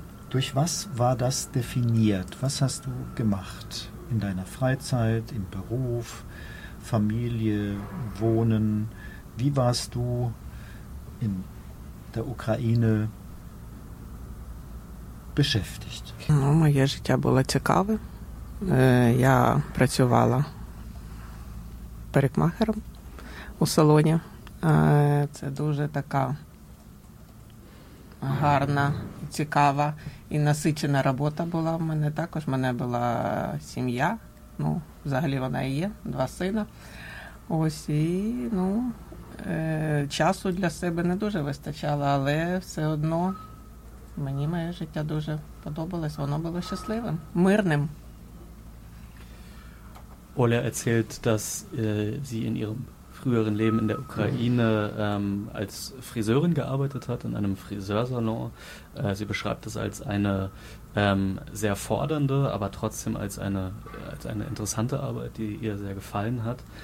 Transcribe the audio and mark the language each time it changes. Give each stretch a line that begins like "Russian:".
German: Durch was war das definiert? Was hast du gemacht in deiner Freizeit, im Beruf, Familie, Wohnen? Wie warst du in der Ukraine beschäftigt?
Ukrainian: Моє життя було цікаве. Я працювала парикмахером у салоні. Це дуже така гарна, цікава і насичена робота була в мене також. У мене була сім'я, ну, взагалі вона і є, два сина. Ось і, ну, часу для себе не дуже вистачало, але все одно мені моє життя дуже подобалось, воно було щасливим, мирним.
German: Оля erzählt, dass sie in ihrem früheren Leben in der Ukraine als Friseurin gearbeitet hat, in einem Friseursalon. Sie beschreibt es als eine sehr fordernde, aber trotzdem als eine interessante Arbeit, die ihr sehr gefallen hat.